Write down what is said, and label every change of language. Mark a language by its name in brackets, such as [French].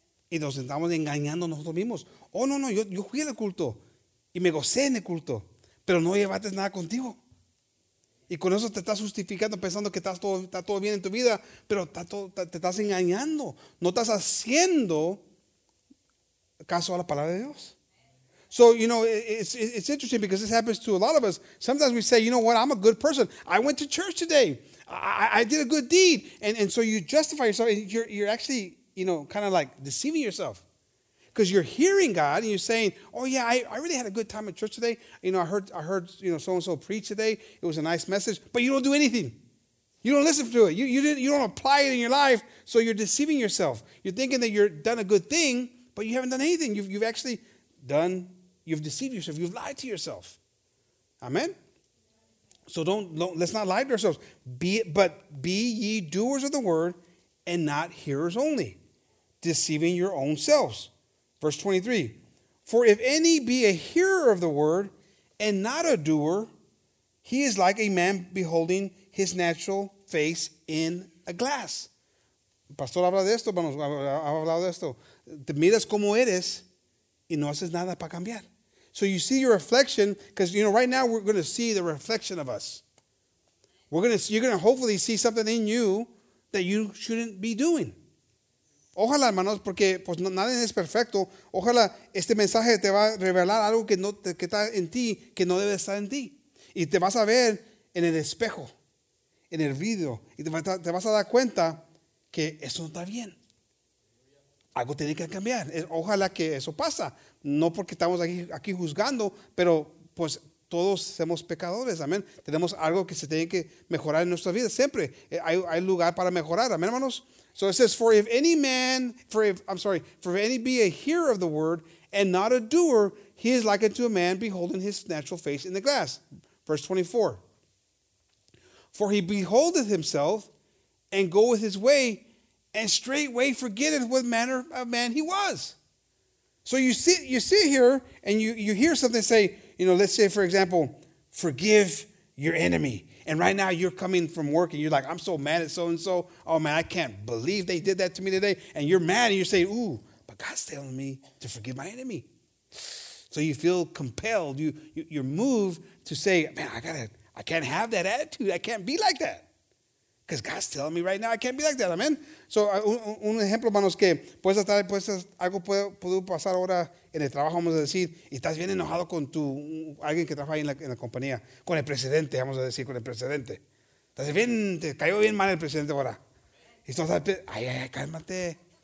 [Spanish] Y nos estamos engañando nosotros mismos. Oh, no, no, yo fui al culto y me gocé en el culto, pero no llevaste nada contigo. Y con eso te estás justificando, pensando que está todo bien en tu vida, pero te estás engañando. No estás haciendo caso a la palabra de Dios. [English] So, you know, it's interesting, because this happens to a lot of us. Sometimes we say, you know what, I'm a good person. I went to church today. I did a good deed. And so you justify yourself. And you're actually, you know, kind of like deceiving yourself. Because you're hearing God and you're saying, oh, yeah, I really had a good time at church today. You know, I heard you know, so-and-so preach today. It was a nice message. But you don't do anything. You don't listen to it. You don't apply it in your life. So you're deceiving yourself. You're thinking that you've done a good thing, but you haven't done anything. You've deceived yourself. You've lied to yourself. Amen? So let's not lie to ourselves. Be ye doers of the word and not hearers only, deceiving your own selves. Verse 23, for if any be a hearer of the word and not a doer, he is like a man beholding his natural face in a glass. [Spanish] Pastor, habla de esto, hermanos, ha hablado de esto. Te miras como eres y no haces nada para cambiar. [English] So you see your reflection, because, you know, right now we're going to see the reflection of us. You're going to hopefully see something in you that you shouldn't be doing. [Spanish] Ojalá, hermanos, porque pues nada es perfecto. Ojalá este mensaje te va a revelar algo que está en ti, que no debe estar en ti. Y te vas a ver en el espejo, en el vidrio. Y te vas a dar cuenta que eso no está bien. Algo tiene que cambiar. Ojalá que eso pasa. No porque estamos aquí juzgando, pero pues todos somos pecadores. Amén. Tenemos algo que se tiene que mejorar en nuestra vida. Siempre hay lugar para mejorar. Amén, hermanos. [English] So it says, for if any be a hearer of the word and not a doer, he is like unto a man beholding his natural face in the glass. Verse 24. For he beholdeth himself and goeth his way, and straightway forgetteth what manner of man he was. So you sit here and you hear something say, you know, let's say, for example, forgive your enemy. And right now you're coming from work and you're like, I'm so mad at so-and-so. Oh, man, I can't believe they did that to me today. And you're mad and you say, ooh, but God's telling me to forgive my enemy. So you feel compelled. You're moved to say, man, I can't have that attitude. I can't be like that. Because God's telling me right now I can't be like that. Amen. [Spanish] So un ejemplo, hermanos, que algo puede pasar ahora en el trabajo, vamos a decir, y estás bien enojado con alguien que trabaja ahí en la compañía, con el presidente, vamos a decir, con el presidente. Estás bien, te cayó bien mal el presidente ahora. Y tú estás, ay, ay, cálmate.